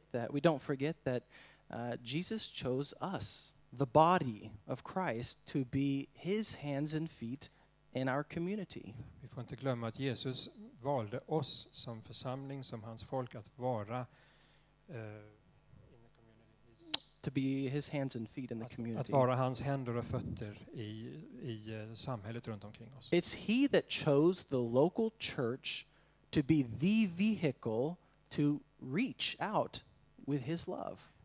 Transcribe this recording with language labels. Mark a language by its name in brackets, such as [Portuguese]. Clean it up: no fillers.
[English] We don't forget that Jesus chose us, the body of Christ, to be his hands and feet in our community. [Swedish] Vi får inte glömma att Jesus valde oss som församling, som hans folk, att vara [English] in the community. To be his hands and feet in the community. [Swedish] Att vara hans händer och fötter i samhället runt omkring oss. [English] It's he that chose the local church to be the vehicle to reach out with his love.